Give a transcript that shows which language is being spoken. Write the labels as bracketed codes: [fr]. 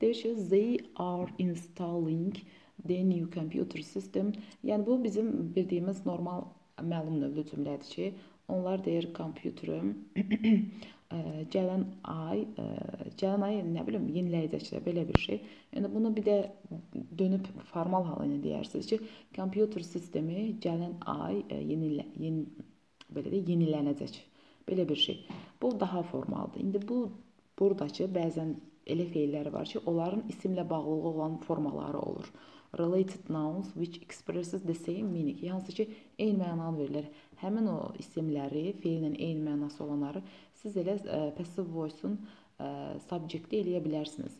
[az] Deyir ki, [en] they are installing the new computer system. [az] Yəni bu bizim bildiyimiz normal məlum növlü cümlədir ki, onlar deyir kompüterim gələn ay nə bilim yeniləyəcəklər belə bir şey. Yəni bunu bir də dönüb formal halını deyərsiniz ki, kompüter sistemi gələn ay yenilənəcək. Belə bir şey. Bu daha formaldır. İndi bu buradakı bəzən elə feilləri var ki, onların isimlə bağlılığı olan formaları olur. [en] Related nouns which expresses the same meaning. [az] Yalnız ki, eyni mənanı verirlər. Həmin o isimləri, feillə eyni mənası olanları siz elə passive voice-un subject-i eləyə bilərsiniz.